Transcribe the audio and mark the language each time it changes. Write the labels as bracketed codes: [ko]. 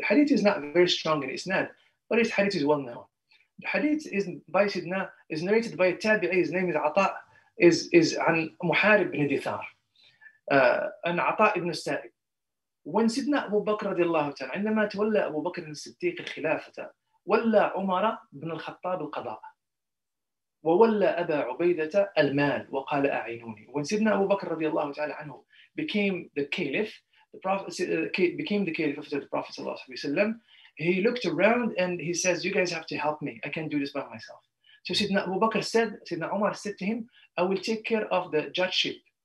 [en] The hadith is not very strong in isnad, but this hadith is well known. The hadith is narrated by a tabi'i, his name is Ata', is an Muharib ibn Dithar, an Ata' ibn Sa'ib. [ar] When Sidna Abu Bakr radiallahu ta'ala, عندما تولى Abu Bakr al-Siddiq الخلافة, ولى عمر بن الخطاب القضاء, وولى أبا عبيدة المال, وقال أعينوني. [en] When Sidna Abu Bakr radiallahu ta'ala anhu became the caliph, after the Prophet sallallahu alayhi wa sallam, he looked around and he says, you guys have to help me. I can't do this by myself. So Sidna Abu Bakr said, Sidna Umar said to him, I will take care of the judgeship.